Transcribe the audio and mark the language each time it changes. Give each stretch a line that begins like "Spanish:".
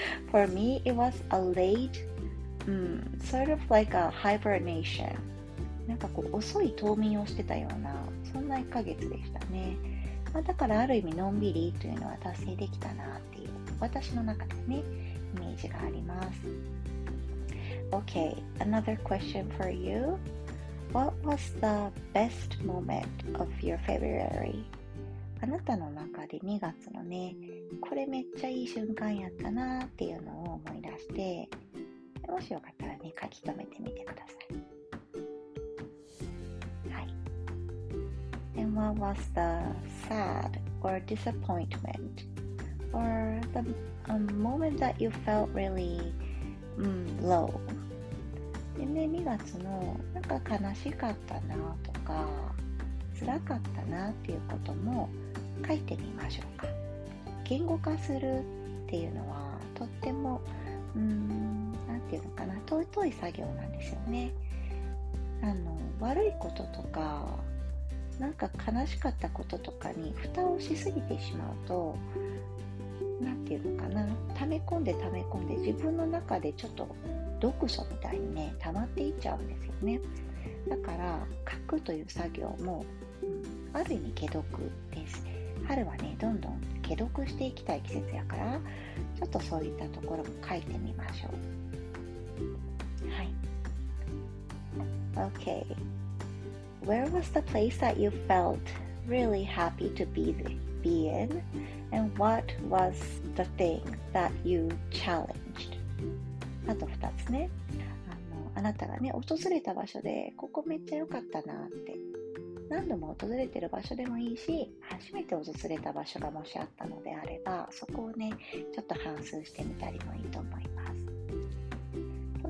English: For me, it was a late, sort of like a hibernation.
Japanese: なんかこう遅い冬眠をしてたような、そんな1ヶ月でしたね。まあ、だからある意味のんびりというのは達成できたなっていう、私の中でね、イメージがあります。
English: Okay, another question for you. What was the best moment of your February?
Japanese: あなたの中で2月のね、これめっちゃいい瞬間やったなっていうのを思い出して、もしよかったらね、書き留めてみてください。はい。
English: And what was the sad or disappointment or the moment that you felt really low?
Japanese: でね、2月のなんか悲しかったなとか、辛かったなっていうことも書いてみましょうか。言語化するっていうのはとっても、なんていうのかな、尊い作業なんですよね。悪いこととか、なんか悲しかったこととかに蓋をしすぎてしまうと、なんていうのかな、溜め込んで自分の中でちょっと読書みたいにね、溜まっていっちゃうんですよね。だから書くという作業も、ある意味解毒です。春はね、どんどん解毒していきたい季節やから、ちょっとそういったところも書いてみましょう。はい。OK。
English: Where was the place that you felt really happy to be in? And what was the thing that you challenged?
Japanese: あと2つね、あなたがね、訪れた場所でここめっちゃ良かったなって、何度も訪れてる場所でもいいし、初めて訪れた場所がもしあったのであれば、そこをね、ちょっと反芻してみたりもいいと思います。